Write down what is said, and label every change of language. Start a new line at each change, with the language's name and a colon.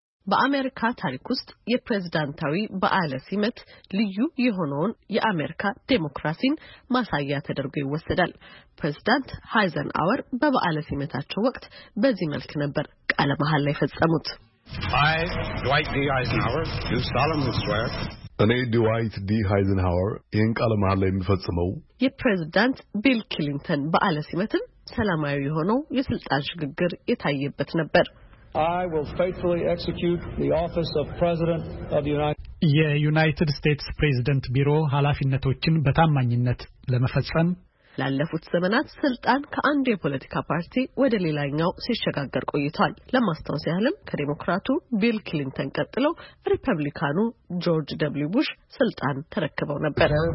Amharic: በአሜሪካ ታሪክ ውስጥ የፕሬዝዳንታዊ በዓለ ሲመት ልዩ የሆነውን የአሜሪካ ዴሞክራሲን ማሳያ ተደርጎ ይወሰዳል። ፕሬዝዳንት ሃይዘን አወር በበዓለ ሲመታቸው ወቅት በዚህ መልክ ነበር ቃለ መሐላ ላይ ፈጸሙት።
English: I, Dwight D. Eisenhower, do solemnly swear.
Amharic: እኔ ድዋይት ዲ ሃይዘንሃወር ይህን ቃለ መሐላ የሚፈጽመው የፕሬዝዳንት ቢል ክሊንተን በዓለ ሲመትም ሰላማዊ የሆነው የስልጣን ሽግግር የታየበት ነበር።
English: I will faithfully execute the office of President of the United States.
Amharic: የዩናይትድ ስቴትስ ፕሬዝዳንት ቢሮ ኃላፊነቶችን በታማኝነት ለመፈጸም ላለፉት ዘመናት ስልጣን ከአንድ የፖለቲካ ፓርቲ ወደ ሌላኛው ሲሸጋገር ቆይቷል። ለማስተዋወስ ያህልም ከዴሞክራቱ ቢል ክሊንተን ቀጥሎ ሪፐብሊካኑ ጆርጅ ደብሊው ቡሽ ስልጣን ተረክበው ነበር።